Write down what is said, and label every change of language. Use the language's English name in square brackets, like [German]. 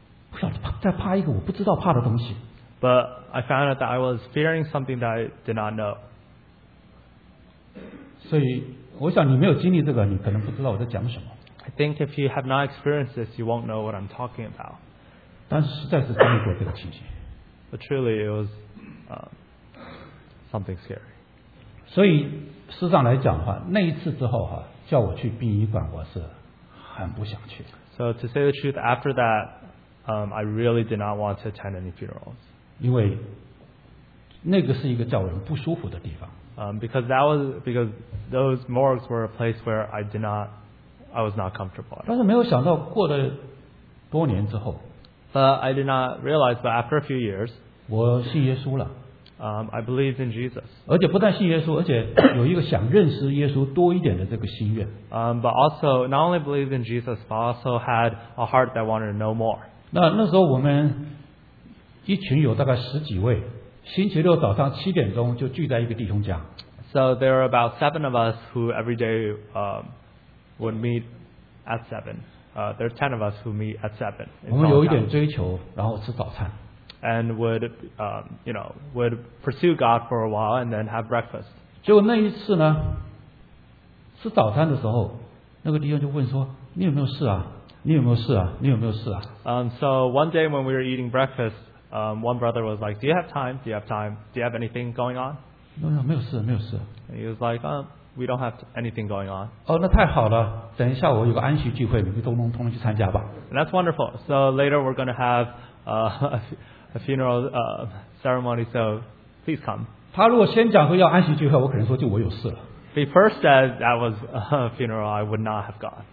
[Chinese] 我发现我在怕一个我不知道怕的东西。 [English] But I found out that I was fearing something that I did not know. [Chinese] 所以我想你没有经历这个你可能不知道我在讲什么。 [English] I think if you have not experienced this, you won't know what I'm talking about. [Chinese] 但实在是经历过这个情形。 [English] But truly, it was something scary. [Chinese] 所以事实上来讲的话，那一次之后哈，叫我去殡仪馆，我是很不想去。 [English] So to say the truth, after that, I really did not want to attend any funerals. [Chinese] 因为那个是一个叫人不舒服的地方。 [English] Because those morgues were a place where I was not comfortable. [Chinese] 但是没有想到过了多年之后, [English] but I did not realize, but after a few years, [Chinese] 我信耶稣了。 [English] I believed in Jesus. [Chinese] 而且不但信耶稣, 而且有一个想认识耶稣多一点的这个心愿。 [English] But also, not only believed in Jesus, but also had a heart that wanted to know more. [Chinese] 那时候我们一群有大概十几位, 星期六早上7点钟就聚在一个弟兄家。 [English] So there are about 7 of us who every day would meet at 7. There are 10 of us who meet at 7. [Chinese] 我们有一点追求, 然后吃早餐。 [English] And would pursue God for a while and then have breakfast. [Chinese] 结果那一次呢, 吃早餐的时候, 那个弟兄就问说, 你有没有事啊? 你有没有事啊?你有没有事啊? [English] So one day when we were eating breakfast, one brother was like, Do you have time? Do you have anything going on? [Chinese] 没有事。 [English] And he was like, we don't have anything going on. [Chinese] 哦，那太好了。等一下我有个安息聚会, 你们通通去参加吧。 [English] And that's wonderful. So later we're going to have a funeral ceremony, so please come. [Chinese] 他如果先讲说要安息聚会，我可能说就我有事了。 [English] If he first said that was a funeral, I would not have gone.